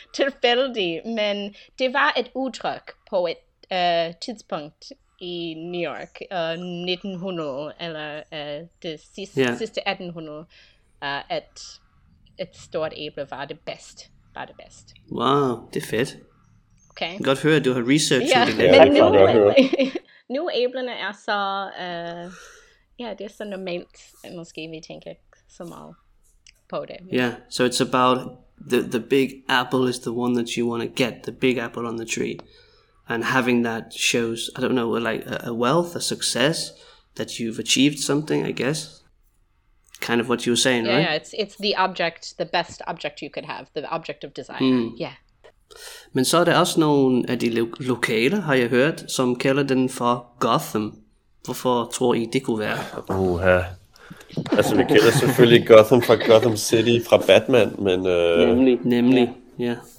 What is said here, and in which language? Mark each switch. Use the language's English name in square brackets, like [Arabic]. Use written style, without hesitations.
[Danish] Tilfældigt, men det var et udtryk på et tidspunkt i New York, 1900 eller det sidste 1800, at et stort æble var det bedst. Var det bedst. Wow, det er fedt. Okay. Jeg kan godt høre, at du har researchet det. Ja, men nu æblerne er så... Ja, det er så normalt, måske vi tænker så meget på det. [English] Yeah, so it's about the big apple is the one that you want to get, the big apple on the tree. And having that shows, I don't know, like a wealth, a success, that you've achieved something, I guess. Kind of what you were saying, yeah, right? Yeah, it's the object, the best object you could have, the object of desire, yeah. [Danish] Men så er det også nogle af de lokale, har jeg hørt, som kalder den for Gotham. Hvorfor tror I, det kunne være? Uha. Altså, vi kender selvfølgelig Gotham fra Gotham City fra Batman, men... Nemlig, ja.